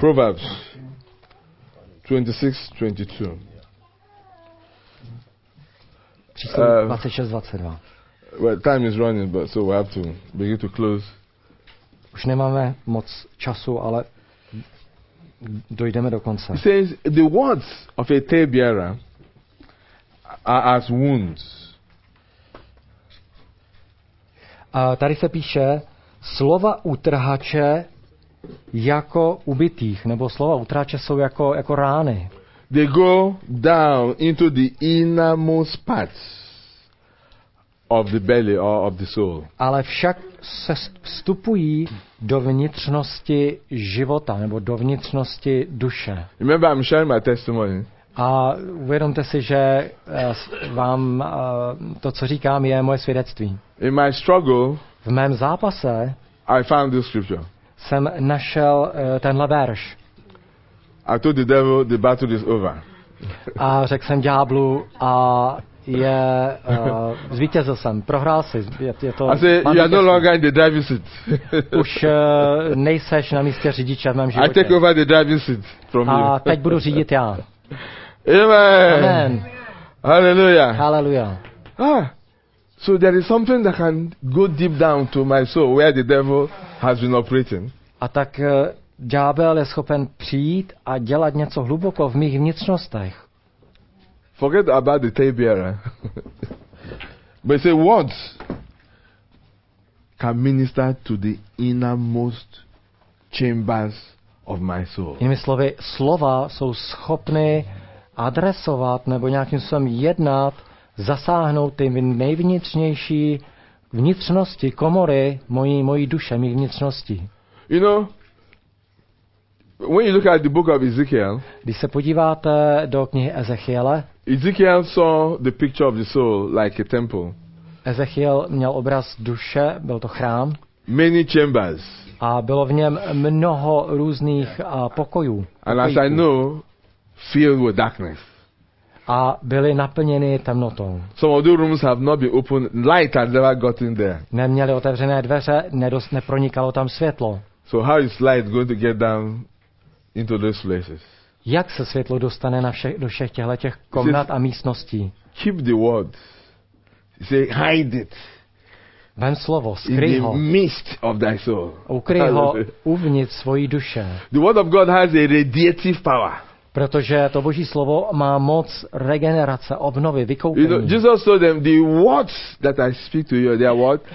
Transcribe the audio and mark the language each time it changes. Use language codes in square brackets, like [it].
[en] Proverbs 26:22. Well, time is running, but so we have to begin to close. [cs] Už nemáme moc času, ale dojdeme do konce. [en] It says the words of a talebearer are as wounds. [cs] A tady se píše slova utrhače jako ubitých, nebo slova utrhače jsou jako rány. [en] They go down into the innermost parts of the belly or of the soul. [cs] Ale však se vstupují do vnitřnosti života nebo do vnitřnosti duše. [en] Remember, I'm sharing my testimony. [cs] A uvědomte si, že vám to, co říkám, je moje svědectví. [en] In my struggle, [cs] v mém zápase, [en] I found this scripture. [cs] Jsem našel tenhle verš. [en] I told the devil, the battle is over. [cs] A řekl jsem ďáblu a je zvítězil jsem, prohrál jsi, je to. [en] I said, you are no longer in the driving seat. [cs] Už nejseš na místě řidiče v mém životě. [en] I take over the driving seat from [cs] a [en] you. [cs] A teď budu řídit já. [en] Amen. Hallelujah. [cs] Hallelujah. [en] Ah, so there is something that can go deep down to my soul where the devil has been operating. [cs] A tak ďábel je schopen přijít a dělat něco hluboko v mých vnitřnostech. [en] Forget about the tape-bearer. But say words can minister to the innermost chambers of my soul. [cs] Jinými slovy, slova jsou schopny adresovat nebo nějakým způsobem jednat, zasáhnout ty nejvnitřnější vnitřnosti, komory mojí duše, mých vnitřností. [en] You know, when you look at the book of Ezekiel, [cs] když se podíváte do knihy Ezechiele, [en] Ezekiel saw the picture of the soul like a temple. [cs] Ezechiel měl obraz duše, byl to chrám. [en] Many chambers. [cs] A bylo v něm mnoho různých pokojů. [en] And as I know, filled with darkness. [cs] A byly naplněny temnotou. [en] Some of the rooms have not been opened. Light had never got in there. [cs] Neměly otevřené dveře, nepronikalo tam světlo. [en] So how is light going to get down into those places? [cs] Jak se světlo dostane do všech těchto komnat a místností? [en] Keep the word. Say, hide it. [cs] Vem slovo, skryj ho. [en] In the midst of thy soul. [cs] Ukryj ho uvnitř svojí duše. [en] The word of God has a radiative power. [cs] Protože to Boží slovo má moc regenerace, obnovy, vykoupení. [en] You know, Jesus told them, the words that I speak to you, they are what?